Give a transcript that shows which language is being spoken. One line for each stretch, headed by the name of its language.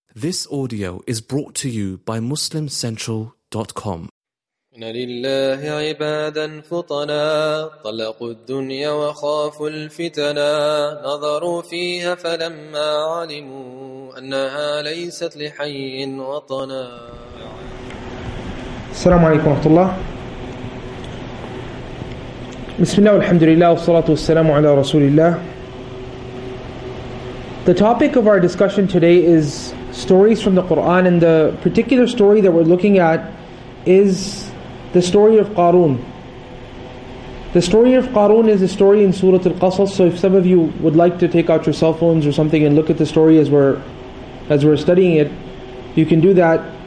English: This audio is brought to you by MuslimCentral.com.
Arabic: لله عبادا فطنا طلقوا الدنيا وخافوا الفتنا نظروا فيها فلما علموا أنها ليست لحي وطنا. السلام عليكم ورحمة الله. بسم الله والحمد لله والصلاة والسلام على رسول الله.
English: The topic of our discussion today is stories from the Quran, and the particular story that we're looking at is the story of Qarun. The story of Qarun is a story in Surah Al-Qasas, so if some of you would like to take out your cell phones or something and look at the story as we're studying it, you can do that.